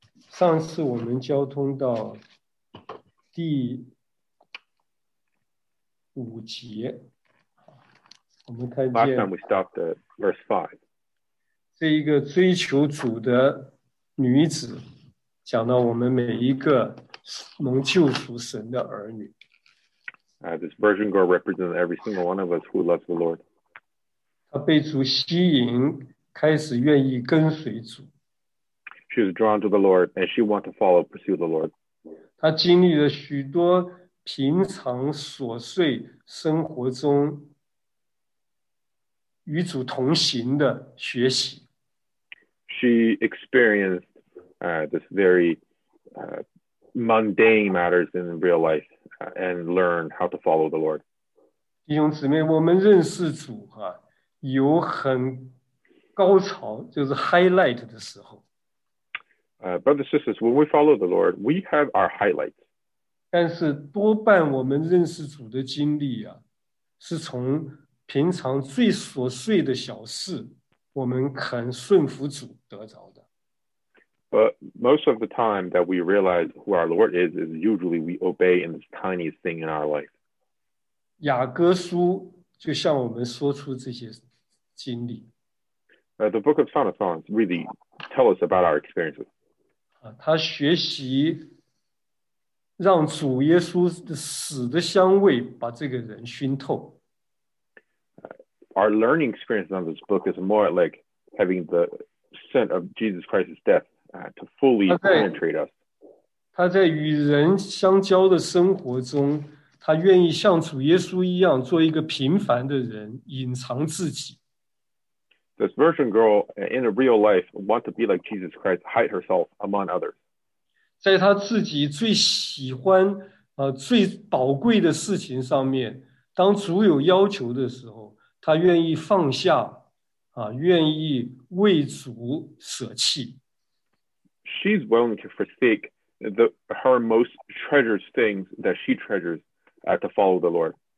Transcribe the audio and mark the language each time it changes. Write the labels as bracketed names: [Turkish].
[Chinese] 上次我们交通到第五节，我们看见。 [English] Last time we stopped at verse 5. [Chinese] 这一个追求主的女子，讲到我们每一个蒙救赎神的儿女。 [English] This virgin girl represents every single one of us who loves the Lord. [Chinese] 她被主吸引，开始愿意跟随主。 [English] She was drawn to the Lord, and she wanted to follow, pursue the Lord. [Chinese] 他经历了许多平常琐碎生活中与主同行的学习。 [English] She experienced this very mundane matters in real life and learned how to follow the Lord. [Chinese] 弟兄姊妹，我们认识主啊，有很高潮，就是 highlight 的时候。 [English] Brothers and sisters, when we follow the Lord, we have our highlights. [Chinese] 但是多半我们认识主的经历啊，是从平常最琐碎的小事，我们肯顺服主得着的。 [English] But most of the time that we realize who our Lord is usually we obey in the tiniest thing in our life. [Chinese] 雅各书就向我们说出这些经历。 [English] The book of Song of Songs really tell us about our experiences. [Chinese] 他学习让主耶稣的死的香味把这个人熏透。 [English] Our learning experience on this book is more like having the scent of Jesus Christ's death to fully penetrate us. [Chinese] 他在与人相交的生活中，他愿意像主耶稣一样做一个平凡的人，隐藏自己。 [English] This virgin girl in a real life wants to be like Jesus Christ, hide herself among others. [Chinese] 在他自己最喜欢、最宝贵的事情上面，当主有要求的时候，他愿意放下、愿意为主舍弃。 [English] She's willing to forsake her most treasured things that she treasures to follow the Lord.